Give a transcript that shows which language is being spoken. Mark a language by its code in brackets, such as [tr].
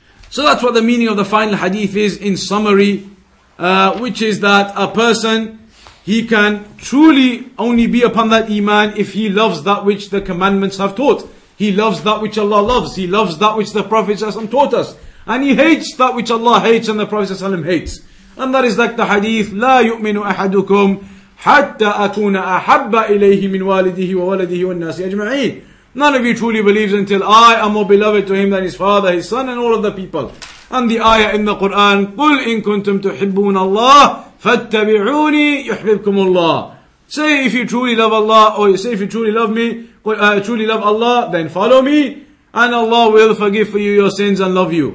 [en] So that's what the meaning of the final hadith is in summary, which is that a person, he can truly only be upon that iman if he loves that which the commandments have taught. He loves that which Allah loves. He loves that which the Prophet ﷺ taught us. And he hates that which Allah hates and the Prophet ﷺ hates. And that is like the hadith, [ar] لا يؤمن أحدكم حتى أكون أحب إليه من والده وولده والناس أجمعين. [en] None of you truly believes until I am more beloved to him than his father, his son, and all of the people. And the ayah in the Quran, [ar] قُلْ إِن كُنْتُمْ تُحِبُّونَ اللَّهِ فَاتَّبِعُونِي يُحْبِبْكُمُ اللَّهِ. [en] Say if you truly love Allah, or you say if you truly love me, truly love Allah, then follow me, and Allah will forgive for you your sins and love you.